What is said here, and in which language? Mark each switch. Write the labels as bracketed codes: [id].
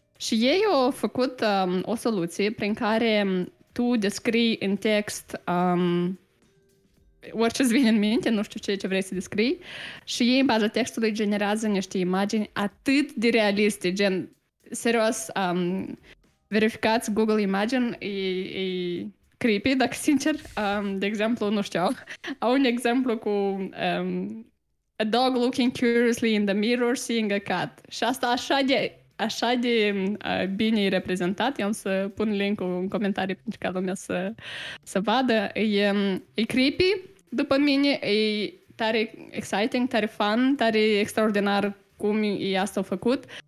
[ro] Și ei au făcut o soluție prin care tu descrii în text orice îți vine în minte, nu știu ce vrei să descrii, și ei în baza textului generează niște imagini atât de realiste, gen, serios, verificați Google Imagine, e [en] creepy, [ro] dacă sincer, de exemplu, nu știu, au un exemplu cu... [en] a dog looking curiously in the mirror, seeing a cat. [ro] Și asta așa de bine e reprezentat. Eu am să pun link-ul în comentarii pentru ca lumea să vadă. E [en] creepy, [ro] după mine, e tare [en] exciting, [ro] tare [en] fun, [ro] tare extraordinar cum e asta au făcut.